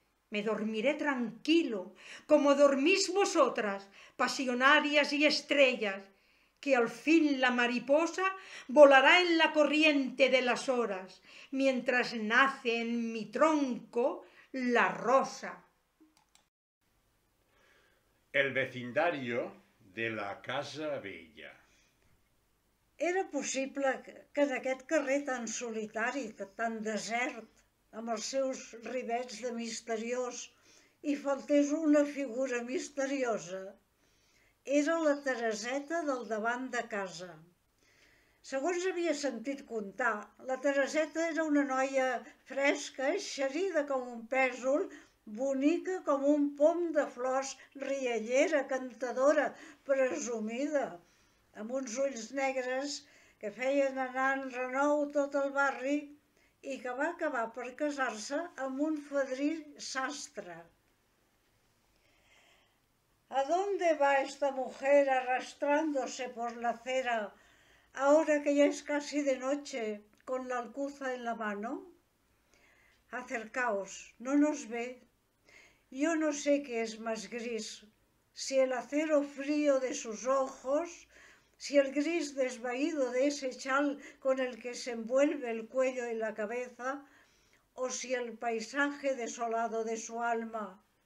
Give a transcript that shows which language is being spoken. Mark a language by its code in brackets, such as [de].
[es] Me dormiré tranquilo, como dormís vosotras, pasionarias y estrellas, que al fin la mariposa volará en la corriente de las horas, mientras nace en mi tronco la rosa. El vecindario de la Casa Vella. [ca] Era possible que d'aquest carrer tan solitari, tan desert, amb els seus rivets de misteriós, hi faltés una figura misteriosa. Era la Tereseta del davant de casa. Segons havia sentit contar, la Tereseta era una noia fresca, eixerida com un pèsol, bonica com un pom de flors, riallera, cantadora, presumida, amb uns ulls negres que feien anar en renou tot el barri i que va acabar per casar-se amb un fadrí sastre. [es] ¿A dónde va esta mujer arrastrándose por la acera ahora que ya es casi de noche con la alcuza en la mano? Acercaos, no nos ve. Yo no sé qué es más gris, si el acero frío de sus ojos, si el gris desvaído de ese chal con el que se envuelve el cuello y la cabeza, o si el paisaje desolado de su alma.